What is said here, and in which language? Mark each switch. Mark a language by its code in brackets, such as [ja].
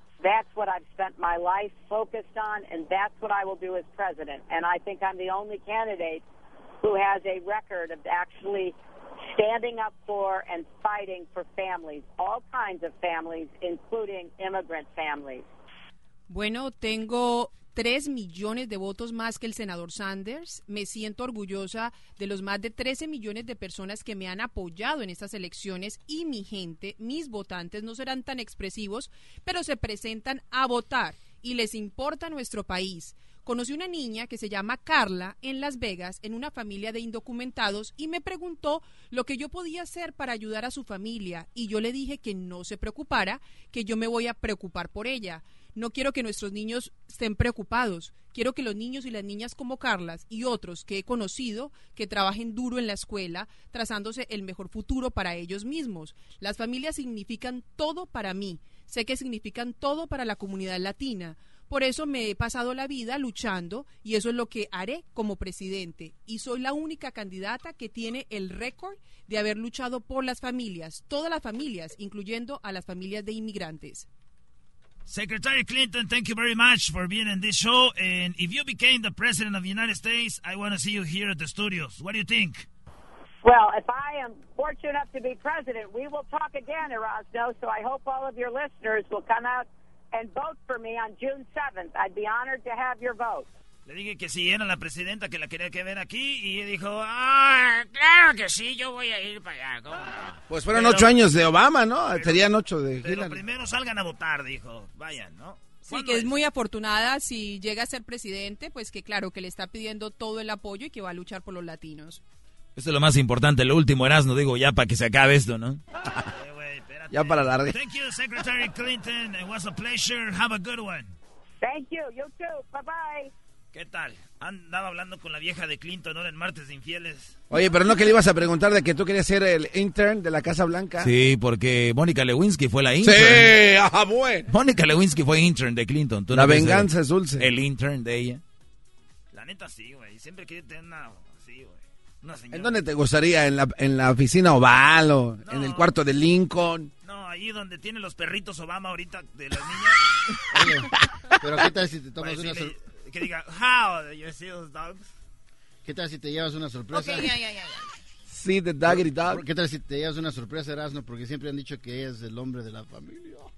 [en] That's what I've spent my life focused on, and that's what I will do as president. And I think I'm the only candidate who has a record of actually standing up for and fighting for families, all kinds of families, including immigrant families. [es] Bueno, tengo 3 millones de votos más que el senador Sanders. Me siento orgullosa de los más de 13 millones de personas que me han apoyado en estas elecciones y mi gente, mis votantes, no serán tan expresivos, pero se presentan a votar y les importa nuestro país. Conocí una niña que se llama Carla en Las Vegas, en una familia de indocumentados, y me preguntó lo que yo podía hacer para ayudar a su familia. Y yo le dije que no se preocupara, que yo me voy a preocupar por ella. No quiero que nuestros niños estén preocupados. Quiero que los niños y las niñas como Carlas y otros que he conocido, que trabajen duro en la escuela, trazándose el mejor futuro para ellos mismos. Las familias significan todo para mí. Sé que significan todo para la comunidad latina. Por eso me he pasado la vida luchando y eso es lo que haré como presidente. Y soy la única candidata que tiene el récord de haber luchado por las familias, todas las familias, incluyendo a las familias de inmigrantes. [en] Secretary Clinton, thank you very much for being in this show. And if you became the president of the United States, I want to see you here at the studios. What do you think? Well, if I am fortunate enough to be president, we will talk again, Erasmo. So I hope all of your listeners will come out and vote for me on June 7th. I'd be honored to have your vote. [es] Le dije que si era la presidenta que la quería que ver aquí y dijo, ah, claro que sí, yo voy a ir para allá. ¿Cómo? Pues fueron pero, 8 años de Obama, ¿no? Pero, serían 8 de Hillary. Pero primero salgan a votar, dijo, vayan, ¿no? Sí, que es muy afortunada si llega a ser presidente, pues que claro, que le está pidiendo todo el apoyo y que va a luchar por los latinos. Eso es lo más importante, lo último, Erasmo, digo, ya para que se acabe esto, ¿no? Wey, espérate. Ya para largar. [en] Thank you, Secretary Clinton. It was a pleasure. Have a good one. Thank you. You too. Bye-bye. [es] ¿Qué tal? Andaba hablando con la vieja de Clinton, ¿no? En Martes de Infieles. Oye, pero no que le ibas a preguntar de que tú querías ser el intern de la Casa Blanca. Sí, porque Mónica Lewinsky fue la intern. ¡Sí! ¡Ajá, bueno! Mónica Lewinsky fue intern de Clinton. ¿Tú la no venganza es dulce. El intern de ella. La neta sí, güey. Siempre quería tener una... Sí, güey. Una señora. ¿En dónde te gustaría? ¿En la oficina Oval o no, en el cuarto de Lincoln? No, ahí donde tiene los perritos Obama ahorita de las niñas. Oye, pero ¿qué tal si te tomas una... Que diga, [en] how do you see those dogs? [es] ¿Qué tal si te llevas una sorpresa? Ok, ya. [en] See the doggy dog. [es] ¿Qué tal si te llevas una sorpresa, Erasmo? Porque siempre han dicho que es el hombre de la familia.